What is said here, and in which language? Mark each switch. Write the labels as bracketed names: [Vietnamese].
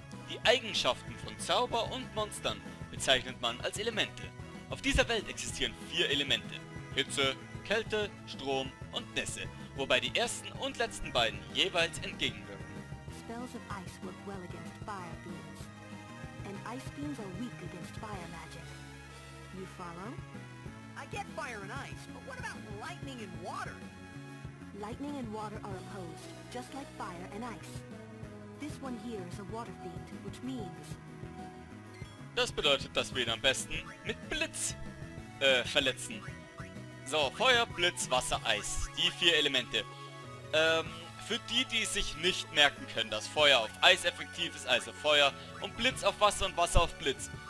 [German] Die Eigenschaften von Zauber und Monstern bezeichnet man als Elemente. Auf dieser Welt existieren vier Elemente. Hitze, Kälte, Strom und Nässe. Wobei die ersten und letzten beiden jeweils entgegenwirken. [English] Spells of ice work well against fire beams. And ice beams are weak against fire magic. You follow? I get fire and ice, but what about lightning and water? Lightning and water are opposed, just like fire and ice. This one here is a water fiend, which means... [German] Das bedeutet, dass wir ihn am besten mit Blitz verletzen. So, Feuer, Blitz, Wasser, Eis. Die vier Elemente. Für die, die sich nicht merken können, dass Feuer auf Eis effektiv ist, also Feuer, und Blitz auf Wasser und Wasser auf Blitz.